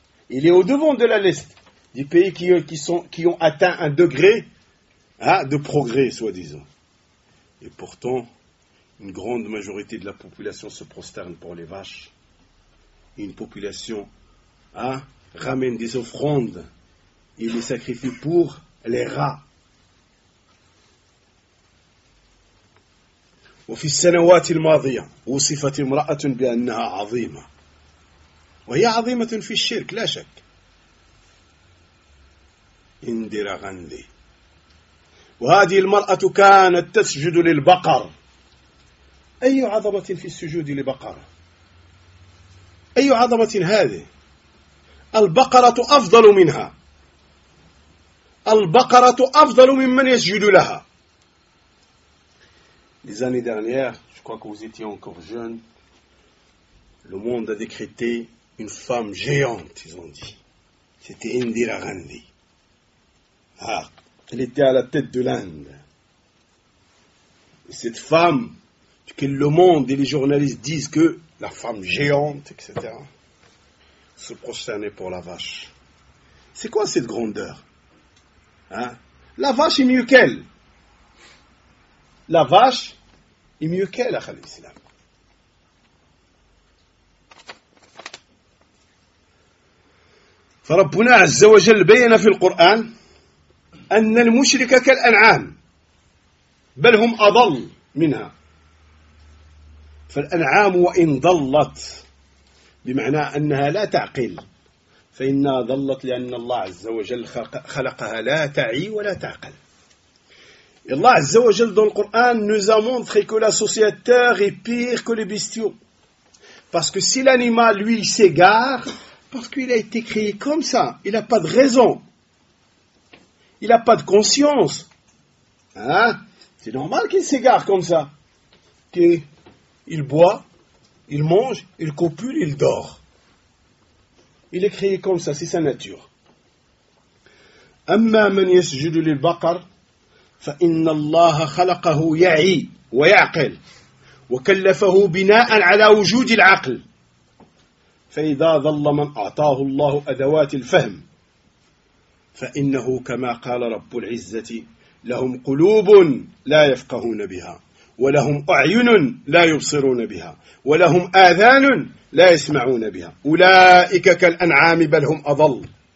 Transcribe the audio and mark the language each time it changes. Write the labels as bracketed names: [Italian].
[French] Il est au-devant de la liste des pays qui ont atteint un degré de progrès, soi-disant. Et pourtant, une grande majorité de la population se prosterne pour les vaches. Une population ramène des offrandes et les sacrifie pour les rats. [Arabic] وفي السنوات الماضية وصفت امرأة بأنها عظيمة وهي عظيمة في الشرك لا شك اندرا غاندي وهذه المرأة كانت تسجد للبقر أي عظمة في السجود لبقرة أي عظمة هذه البقرة أفضل منها البقرة أفضل ممن يسجد لها. [French] Les années dernières, je crois que vous étiez encore jeunes, le monde a décrété une femme géante, ils ont dit. C'était Indira Gandhi. Elle était à la tête de l'Inde. Et cette femme, que le monde et les journalistes disent que la femme géante, etc., se prosternait pour la vache. C'est quoi cette grandeur? La vache est mieux qu'elle. La vache est mieux qu'elle, Akhal Islam. [Arabic] فربنا عز وجل بين في القرآن أن المشرك كالأنعام بل هم أضل منها فالأنعام وإن ضلت بمعنى أنها لا تعقل فإنها ضلت لأن الله عز وجل خلقها لا تعي ولا تعقل. [French] Allah Azzawajal dans le Coran nous a montré que l'associateur est pire que les bestiaux. Parce que si l'animal, lui, s'égare, parce qu'il a été créé comme ça, il n'a pas de raison. Il n'a pas de conscience. C'est normal qu'il s'égare comme ça. Qu'il boit, il mange, il copule, il dort. Il est créé comme ça, c'est sa nature. [Arabic] Amma man yasjudu lil baqar فَإِنَّ اللَّهَ خَلَقَهُ يَعِي وَيَعْقِلْ وَكَلَّفَهُ بِنَاءً عَلَى وُجُودِ الْعَقْلِ فَإِذَا ظَلَّ مَنْ أَعْطَاهُ اللَّهُ أَدَوَاتِ الْفَهْمِ فَإِنَّهُ كَمَا قَالَ رَبُّ الْعِزَّةِ لَهُمْ قُلُوبٌ لَا يَفْقَهُونَ بِهَا وَلَهُمْ أَعْيُنٌ لَا يُبْصِرُونَ بِهَا وَلَهُمْ آذَانٌ لَا يَسْمَعُونَ بِهَا أُولَئِكَ كَالْأَنْعَامِ بَلْ هُمْ أَضَلُّ.